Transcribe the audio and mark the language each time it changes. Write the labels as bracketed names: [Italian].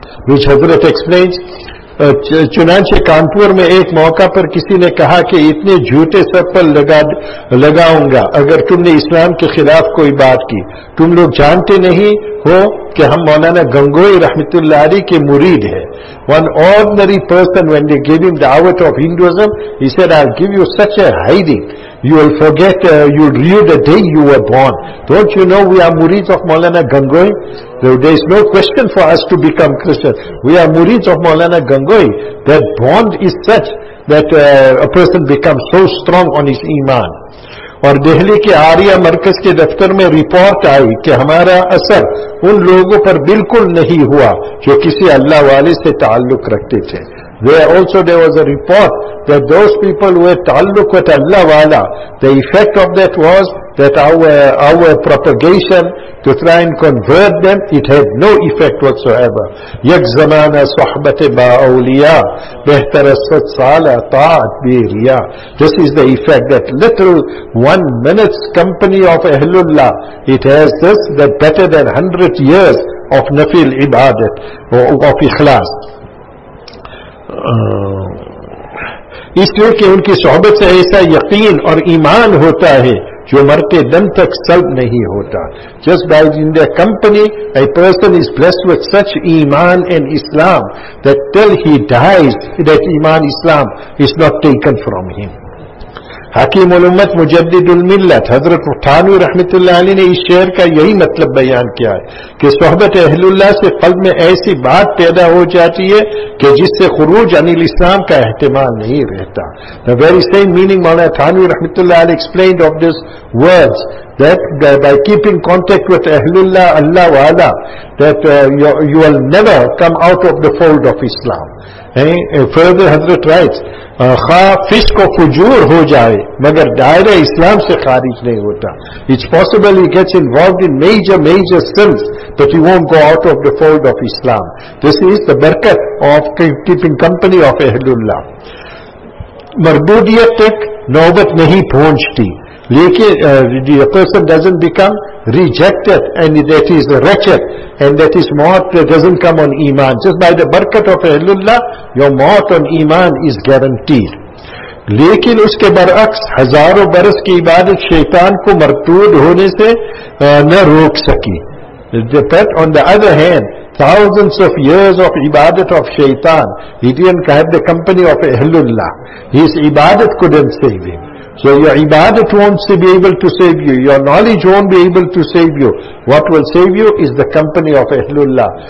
[English] Which Hazrat explains, [Urdu] چنانچہ کانپور میں ایک موقع پر کسی نے کہا کہ اتنے جھوٹے سر پر لگاؤں گا اگر تم نے اسلام کے خلاف کوئی بات کی. تم لوگ جانتے نہیں ہو کہ ہم مولانا گنگوئی رحمت اللہ علی کے مرید ہیں. [English] One ordinary person, when they gave him the dawat of Hinduism, he said, I'll give you such a hiding. You will forget, you'll rue the day you were born. Don't you know we are murids of Maulana Gangoi? There is no question for us to become Christians. We are murids of Maulana Gangoi. That bond is such that a person becomes so strong on his iman. [Urdu] اور دہلی کے آریہ مرکز کے دفتر میں report آئی کہ ہمارا اثر ان لوگوں پر بالکل نہیں ہوا جو کسی اللہ والے سے تعلق رکھتے تھے. [English] There also there was a report that those people who had taluk with Allah wala, the effect of that was that our propagation to try and convert them, it had no effect whatsoever. [Persian] Yak zamana sahbat ba awliya behtar asad sala ta'at bi riya. [English] This is the effect, that little 1 minute's company of ahlullah, it has this, that better than 100 years of nafil ibadat of ikhlas. [Urdu] اس لیے کہ ان کی صحبت سے ایسا یقین اور ایمان ہوتا ہے جو مرتے دم تک سلب نہیں ہوتا. [English] Just by in their company, a person is blessed with such iman and Islam that till he dies, that iman Islam is not taken from him. [Urdu] حکیم الامت مجدد الملت حضرت تھانوی رحمت اللہ علیہ نے اس شعر کا یہی مطلب بیان کیا ہے کہ صحبت اہل اللہ سے قلب میں ایسی بات پیدا ہو جاتی ہے کہ جس سے خروج عن الاسلام کا احتمال نہیں رہتا. [English] The very same meaning مولانا تھانوی رحمت اللہ علیہ explained of this words, that by keeping contact with Ahlullah, Allah wala, that you will never come out of the fold of Islam. Further, Hazrat writes, [Urdu] خواہ فسق و فجور ہو جائے مگر دائرہ اسلام سے خارج نہیں ہوتا. [English] It's possible he gets involved in major sins, but he won't go out of the fold of Islam. This is the barakat of keeping company of Ahlullah. [Urdu] مربودیت تک نوبت نہیں پہنچتی لیکن [English] the person doesn't become rejected, and that is wretched, and that is maut that doesn't come on iman. Just by the barakat of Ahlullah, your maut on iman is guaranteed. [Urdu] لیکن اس کے برعکس ہزاروں برس کی عبادت شیطان کو مرتود ہونے سے نہ روک سکی. [English] But on the other hand, thousands of years of ibadat of shaitan, he didn't have the company of Ahlullah. His ibadat couldn't save him. So your ibadat won't be able to save you, your knowledge won't be able to save you. What will save you is the company of Ahlullah.